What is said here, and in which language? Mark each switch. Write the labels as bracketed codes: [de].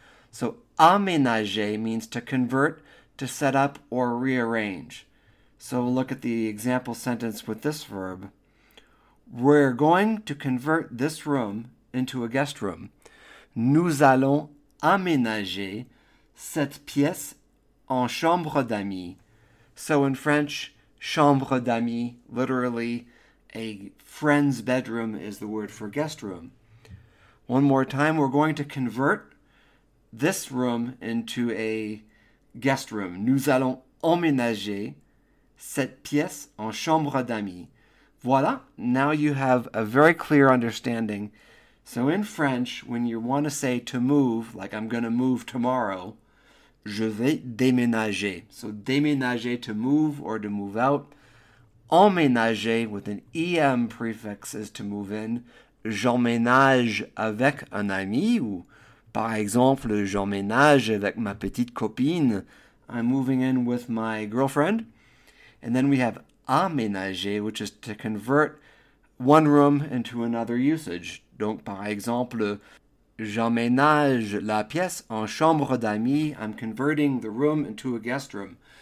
[en] So aménager means to convert, to set up, or rearrange. So we'll look at the example sentence with this verb. We're going to convert this room into a guest room. [fr] Nous allons aménager cette pièce en chambre d'amis. [en] So in French, [fr] chambre d'amis, [en] literally a friend's bedroom, is the word for guest room. One more time, we're going to convert this room into a guest room. [fr] Nous allons aménager cette pièce en chambre d'amis. [en] Voilà, now you have a very clear understanding. So in French, when you want to say to move, like I'm going to move tomorrow, [fr] je vais déménager. [en] So déménager, to move or to move out. Emménager with an EM prefix is to move in. [fr] J'emménage avec un ami. Ou par exemple, j'emménage avec ma petite copine. [en] I'm moving in with my girlfriend. And then we have aménager, which is to convert one room into another usage. [fr] Donc, par exemple, j'emménage la pièce en chambre d'amis. [en] I'm converting the room into a guest room.